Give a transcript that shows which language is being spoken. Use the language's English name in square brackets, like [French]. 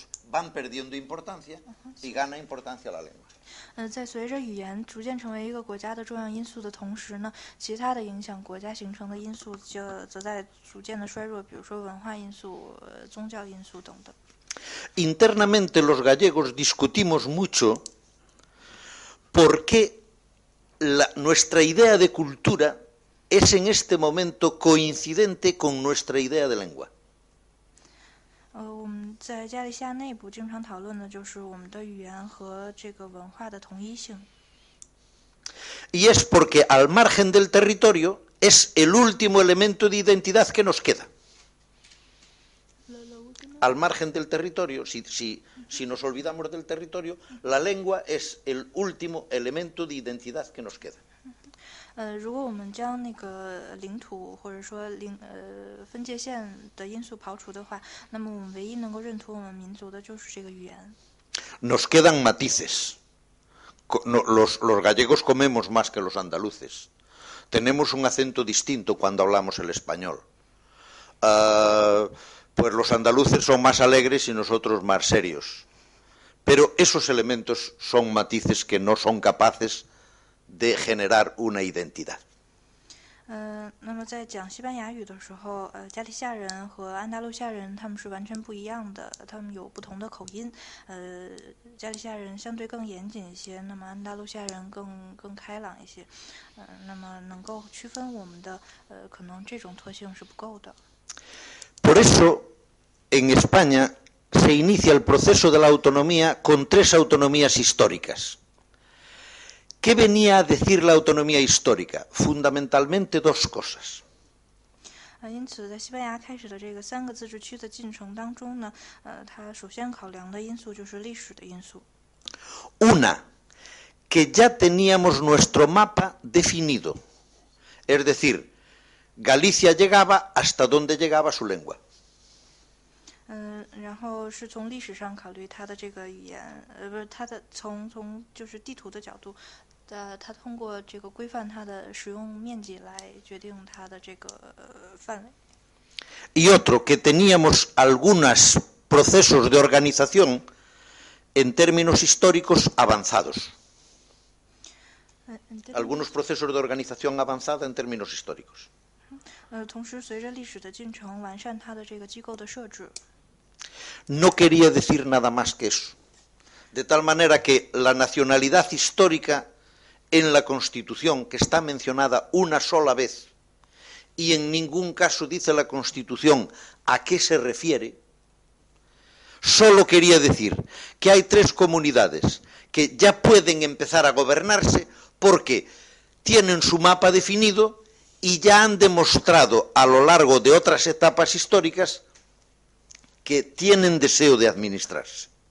[Spanish] van perdiendo importancia y gana importancia la lengua. [Chinese] 在随着语言逐渐成为一个国家的重要因素的同时呢，其他的影响国家形成的因素就则在逐渐的衰弱，比如说文化因素、宗教因素等等。 [Spanish] Internamente los gallegos discutimos mucho por qué nuestra idea de cultura es en este momento coincidente con nuestra idea de lengua. [Chinese] 我们在加利西亚内部经常讨论的就是我们的语言和这个文化的同一性。 [Spanish] Y es porque al margen del territorio es el último elemento de identidad que nos queda. Al margen del territorio, si nos olvidamos del territorio, la lengua es el último elemento de identidad que nos queda. [Chinese] 如果我们将那个领土或者说分界线的因素刨除的话，那么我们唯一能够认同我们民族的就是这个语言。 [Spanish] Nos quedan matices. Los gallegos comemos más que los andaluces. Tenemos un acento distinto cuando hablamos el español. Pues los andaluces son más alegres y nosotros más serios. Pero esos elementos son matices que no son capaces de generar una identidad. [Chinese] 那么在讲西班牙语的时候，加利西亚人和安达卢西亚人他们是完全不一样的，他们有不同的口音。加利西亚人相对更严谨一些，那么安达卢西亚人更开朗一些。那么能够区分我们的可能这种特性是不够的。 [Spanish] Por eso, en España se inicia el proceso de la autonomía con tres autonomías históricas. ¿Qué venía a decir la autonomía histórica? Fundamentalmente dos cosas. [Chinese] 因此，在西班牙开始的这个三个自治区的进程当中呢，它首先考量的因素就是历史的因素。 [Spanish] Una, que ya teníamos nuestro mapa definido, es decir,Galicia llegaba hasta donde llegaba su lengua. [Chinese] 然后是从历史上考虑他的这个语言，不是他的从就是地图的角度，他通过这个规范他的使用面积来决定他的这个范围。 [Spanish] Y otro que teníamos algunos procesos de organización en términos históricos avanzados. Algunos procesos de organización avanzada en términos históricos. [Chinese] 同时随着历史的进程完善它的这个机构的设置。 [Spanish] No quería decir nada más que eso. De tal manera que la nacionalidad histórica en la Constitución, que está mencionada una sola vez, y en ningún caso dice la Constitución a qué se refiere, solo quería decir que hay tres comunidades que ya pueden empezar a gobernarse porque tienen su mapa definido y ya han demostrado a lo largo de otras etapas históricas que tienen deseo de administrarse.